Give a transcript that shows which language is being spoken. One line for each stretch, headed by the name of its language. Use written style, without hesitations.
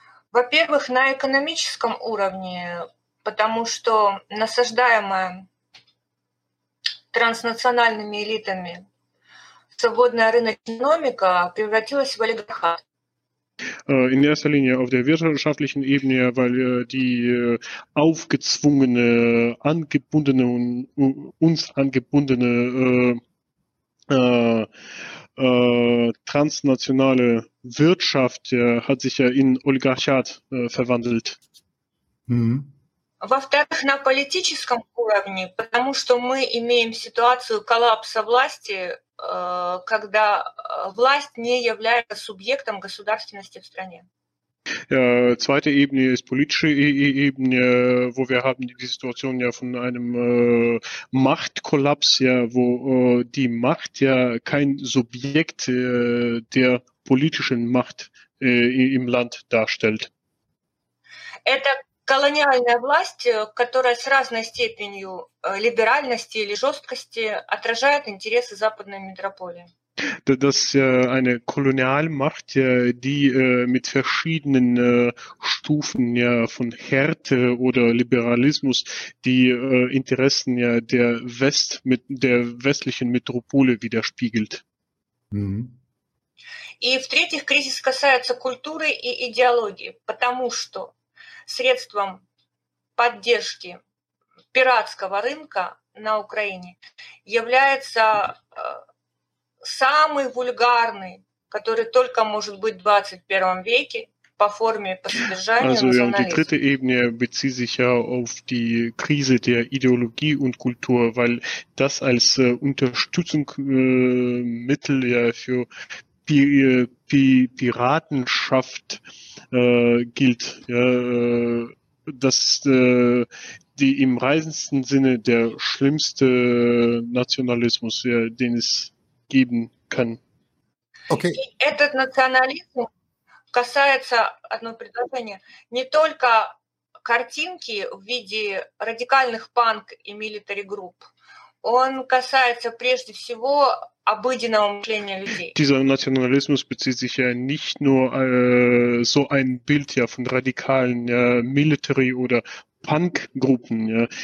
Russian: Во-первых, на экономическом уровне. Потому что насаждаемая транснациональными элитами свободная рыночная экономика превратилась в олигархат.
German: In erster Linie auf der wirtschaftlichen Ebene, weil die aufgezwungene, angebundene und uns angebundene transnationale Wirtschaft hat sich ja in Oligarchat verwandelt.
Russian: Во-вторых, на политическом уровне, потому что мы имеем ситуацию коллапса власти, когда власть не является субъектом государственности в стране.
German: Zweite Ebene ist politische Ebene, wo wir haben die Situation ja von einem Machtkollaps, ja, wo die Macht ja kein Subjekt der politischen Macht im Land darstellt.
Russian: Это колониальная власть, которая с разной степенью либеральности или жесткости отражает интересы западной метрополии.
German: Das ist eine Kolonialmacht, die mit verschiedenen Stufen von Härte oder Liberalismus die Interessen der westlichen Metropole widerspiegelt.
Russian: И в-третьих, кризис касается культуры и идеологии, потому что средством поддержки пиратского рынка на Украине является самый вульгарный, который только может быть в 21 веке по форме, по содержанию национализма.
German: Also, die dritte Ebene bezieht sich ja auf die Krise der Ideologie und Kultur, weil das als Unterstützungsmittel für Piratenschaft gilt. Das ist die im reinsten Sinne der schlimmste Nationalismus, den es geben kann. Okay.
Russian: Этот национализм касается одно предложение не только картинки в виде радикальных панк и милитари групп. Он касается прежде всего обыденного мышления людей.
German: Dieser Nationalismus bezieht sich ja nicht nur so ein Bild von radikalen Military- oder Punk-Gruppen.